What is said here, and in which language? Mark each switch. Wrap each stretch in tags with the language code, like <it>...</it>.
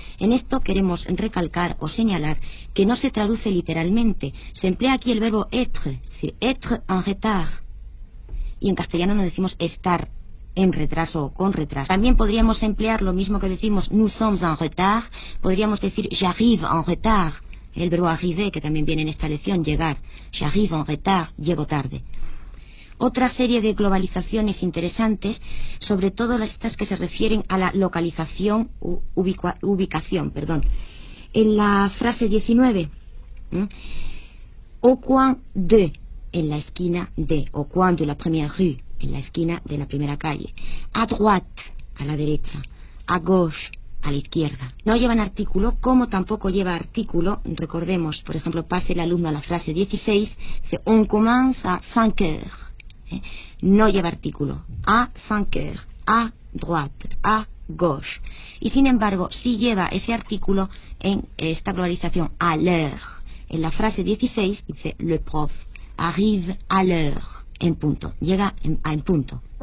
<es>En esto queremos recalcar o señalar que no se traduce literalmente, se emplea aquí el verbo être, es decir,</es> <fr>être en retard,</fr> <es>y en castellano no decimos estar en retraso o con retraso. También podríamos emplear lo mismo que decimos</es> <fr>nous sommes en retard,</fr> <es>podríamos decir</es> <fr>j'arrive en retard,</fr> <es>el verbo arriver, que también viene en esta lección, llegar.</es> <fr>J'arrive en retard,</fr> <es>llego tarde. Otra serie de globalizaciones interesantes, sobre todo estas que se refieren a la localización, ubicación. En la frase 19,</es> <fr>au coin de,</fr> <es>en la esquina de,</es> <fr>au coin de la première rue,</fr> <es>en la esquina de la primera calle.</es> <fr>A droite,</fr> <es>a la derecha.</es> <fr>A gauche,</fr> <es>a la izquierda. No llevan artículo, como tampoco lleva artículo. Recordemos, por ejemplo, pase el alumno a la frase 16, dice,</es> <fr>on commence à 5 heures.</fr> <es>No lleva artículo.</es> <fr>A 5 heures, a droite, a gauche.</fr> <es>Y sin embargo, sí lleva ese artículo en esta globalización,</es> <fr>à l'heure.</fr> <es>En la frase 16, dice,</es> <fr>le prof arrive à l'heure.</fr> <es>En punto, llega en punto.</es>